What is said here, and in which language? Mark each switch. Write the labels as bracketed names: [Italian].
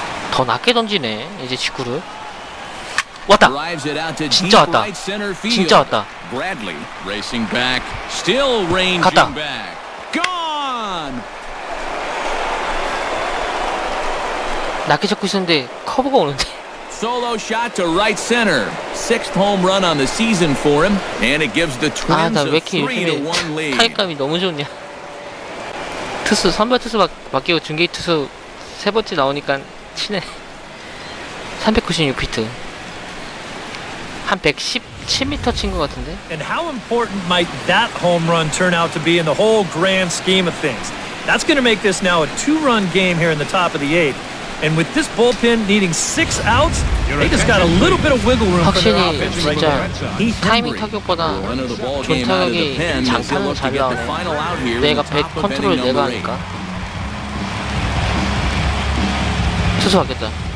[Korean] 더 낮게 던지네. 이제 직구를. 왔다. 진짜 왔다. 진짜 왔다. [English] 브래들리 레이싱 백. 스틸 레인징 백. 곤. [Korean] 낮게 잡고 있었는데 커브가 오는데. [English] Solo shot to right center. Sixth home run on the season for him and it gives the Twins a 3-1 lead. [Korean] 타격감이 너무 좋냐. 투수 선발 투수 맡기고 중계 투수 세 번째 나오니까 치네. 396 피트. 한 117m 친 것 같은데. [English] And how important might that home run turn out to be in the whole grand scheme of things? That's going to make this now a two-run game here in the top of the eighth. And with this bullpen needing six outs, they just got a little bit of wiggle room for their offense right now. [Korean] 타이밍 타격보다 좋은 타격이 장타는 잘 나오네. 내가 백 컨트롤 내가 하니까. 투수 왔겠다.